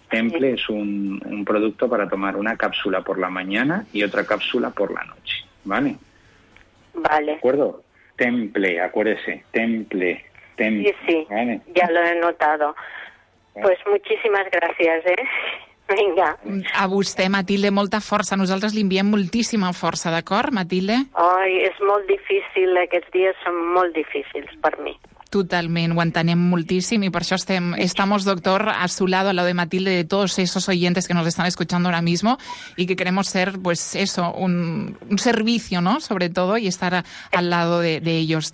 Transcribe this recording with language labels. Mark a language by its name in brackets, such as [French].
[Spanish] Temple es un producto para tomar una cápsula por la mañana y otra cápsula por la noche, ¿vale? Vale. ¿De acuerdo? Temple, acuérdese, Temple. Sí, sí, ¿vale? Ya lo he notado. Pues muchísimas gracias, Vinga. [Catalan] A vostè, Matilde, molta força. Nosaltres li enviem moltíssima força, d'acord, Matilde? Ai, és molt difícil, aquests dies són molt difícils per mi. Totalment, ho entenem moltíssim i per això [Spanish] estamos, doctor, a su lado, a lo de Matilde, de todos esos oyentes que nos están escuchando ahora mismo y que queremos ser, pues eso, un servicio, ¿no?, sobre todo, y estar al lado de ellos.